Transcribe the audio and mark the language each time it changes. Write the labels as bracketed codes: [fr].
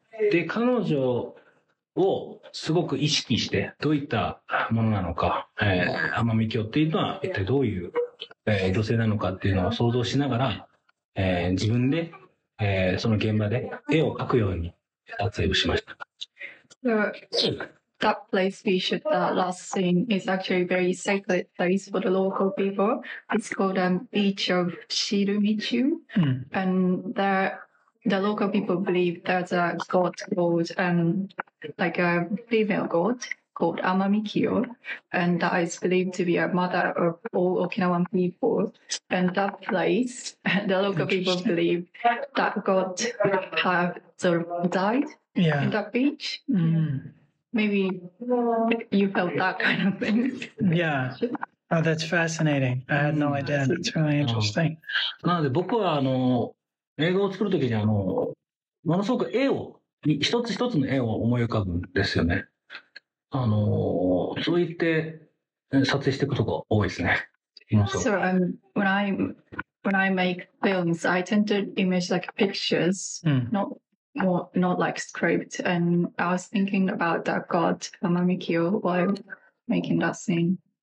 [ja] で、彼女をすごく意識して、どういったものなのか、奄美清っていうのは、一体どういう、女性なのかっていうのを想像しながら、自分で、その現場で絵を描くように撮影をしました。 [en] That place we shoot the last scene is actually a very sacred place for the local people. It's called the Beach of Shirumichu. And the local people believe there's a god called, like a female god called Amamikyo. And that is believed to be a mother of all Okinawan people. And that place, the local people believe that god have sort of died in that beach. Maybe you felt that kind of thing. Yeah. Oh, that's fascinating. I had no idea. That's really interesting. [ja] なので僕は映画を作るときにものすごく絵を、一つ一つの絵を思い浮かぶんですよね。そう言って撮影していくとこ多いですね。 [en] So, when I make films, I tend to image like pictures, not like script, and I was thinking about that god Amamikyo while making that scene.